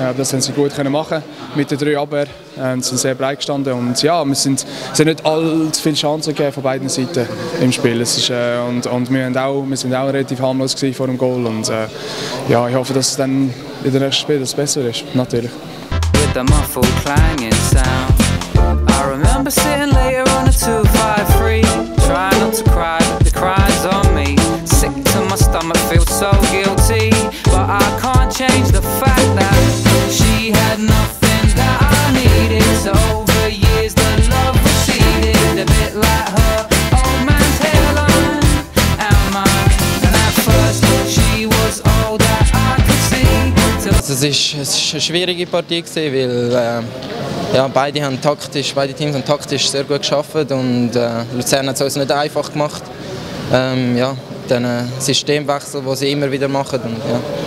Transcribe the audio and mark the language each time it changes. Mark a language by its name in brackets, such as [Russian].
[German] Das haben sie gut können machen mit den drei Abwehr. Sie sind sehr breit gestanden. Und ja, es hat nicht allzu viele Chancen gegeben von beiden Seiten im Spiel. Wir sind auch relativ harmlos gewesen vor dem Goal. Und ja, ich hoffe, dass es dann in den nächsten Spielen besser ist. Natürlich. [English] With the muffled clanging sound. I remember sitting later on a 253, trying not to cry, but the cry's on me. Sick to my stomach, feel so guilty, but I can't change the fact that she had nothing that I needed. So over years the love receded, a bit like her old man's hairline and mine. And at first she was all that I could see. [German] Es ist eine schwierige Partie gewesen, weil ja, beide Teams haben taktisch sehr gut gearbeitet und Luzern hat es uns nicht einfach gemacht. Ja, den Systemwechsel, den sie immer wieder machen. Und, ja.